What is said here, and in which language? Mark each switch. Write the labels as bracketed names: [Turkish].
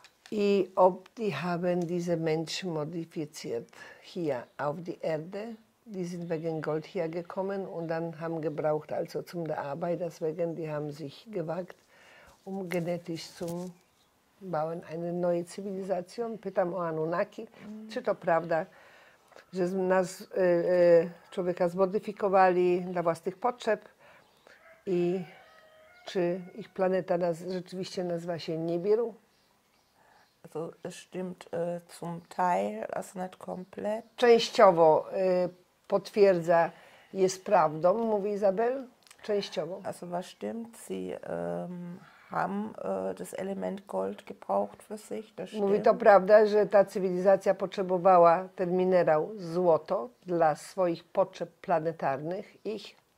[German] I ob die haben diese Menschen modifiziert hier auf die Erde. Die sind wegen Gold hier gekommen und dann haben gebraucht, also zum der Arbeit, deswegen, die haben sich gewagt, um genetisch zu bauen, eine neue Zivilisation. [Polish] Pytam o Anunnaki, czy to prawda, że nas, człowieka zmodyfikowali dla własnych potrzeb i czy ich planeta rzeczywiście nazywa się Nibiru? [German] Also es stimmt zum Teil, also nicht komplett. [Polish] Częściowo. Potwierdza, jest prawdą, mówi Izabel, częściowo. [German] Also was stimmt, sie haben das Element Gold gebraucht für sich, das stimmt. [Polish] Mówi, to prawda, że ta cywilizacja potrzebowała ten minerał złoto dla swoich potrzeb planetarnych, ich.